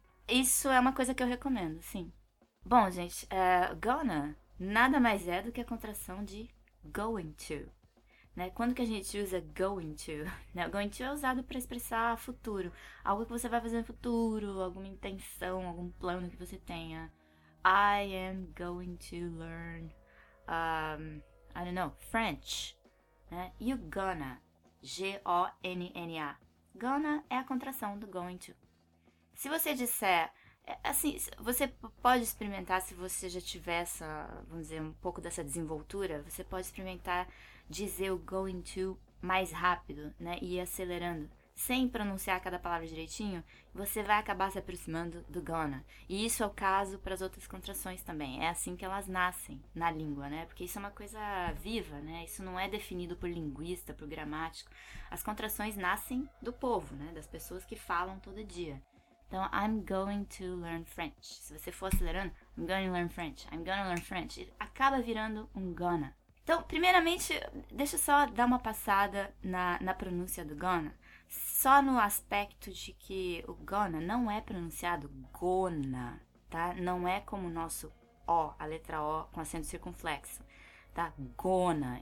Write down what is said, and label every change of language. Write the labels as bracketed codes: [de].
[pt] Isso é uma coisa que eu recomendo, sim. Bom, gente, gonna nada mais é do que a contração de going to. Quando que a gente usa going to? Né? Going to é usado para expressar futuro. Algo que você vai fazer no futuro, alguma intenção, algum plano que você tenha. [en] I am going to learn, I don't know, French. Né? You gonna, G-O-N-N-A. [pt] Gonna é a contração do going to. Se você disser, assim, você pode experimentar, se você já tiver essa, vamos dizer, um pouco dessa desenvoltura, você pode experimentar dizer o going to mais rápido, né, e acelerando, sem pronunciar cada palavra direitinho, você vai acabar se aproximando do gonna. E isso é o caso para as outras contrações também, é assim que elas nascem na língua, né, porque isso é uma coisa viva, né, isso não é definido por linguista, por gramático. As contrações nascem do povo, né, das pessoas que falam todo dia. [en] Então, I'm going to learn French. [pt] Se você for acelerando, [en] I'm going to learn French, [pt] I'm going to learn French, acaba virando um gonna. Então, primeiramente, deixa eu só dar uma passada na pronúncia do gonna. Só no aspecto de que o gonna não é pronunciado gonna, tá? Não é como o nosso O, a letra O com acento circunflexo, tá? Gonna.